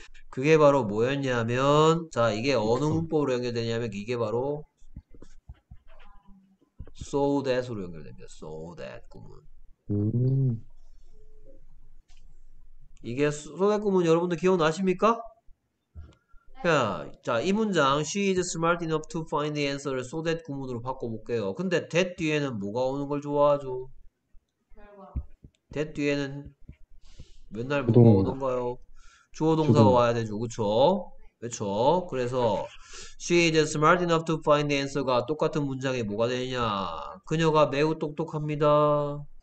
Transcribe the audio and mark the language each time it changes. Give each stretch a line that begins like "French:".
Korean: 그게 바로 뭐였냐면, 자, 이게 어느 믹서. 문법으로 연결되냐면, 이게 바로 so that으로 연결됩니다. so that 구문. 이게 so that 구문 여러분들 기억나십니까? 자, 이 문장
English: she is smart enough to find the answer
Korean: 를 so that 구문으로 바꿔볼게요. 근데 that 뒤에는 뭐가 오는 걸 좋아하죠? that 뒤에는 맨날 뭐가 주동. 오던가요? 주어 동사가 주동. 와야 되죠. 그쵸? 그쵸? 그래서
English: She is smart enough to find the answer
Korean: 가 똑같은 문장에 뭐가 되냐? 그녀가 매우 똑똑합니다.